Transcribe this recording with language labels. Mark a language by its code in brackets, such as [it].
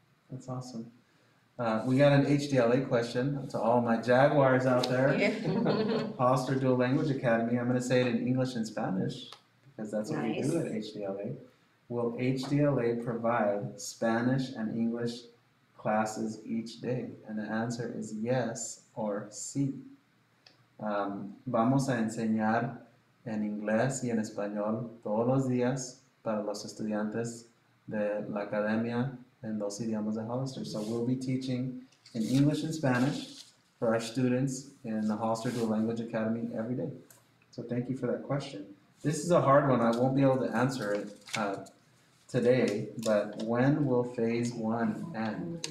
[en] That's awesome. We got an HDLA question to all my Jaguars out there. Hoster Dual Language Academy. I'm going to say it in English and Spanish, because that's what nice. We do at HDLA. Will HDLA provide Spanish and English classes each day? And the answer is yes or sí. [es] Vamos a enseñar en inglés y en español todos los días para los estudiantes de la academia en los idiomas de Hoster. [en] So we'll be teaching in English and Spanish for our students in the Hoster Dual Language Academy every day. So thank you for that question. This is a hard one. I won't be able to answer it today, but when will phase one end?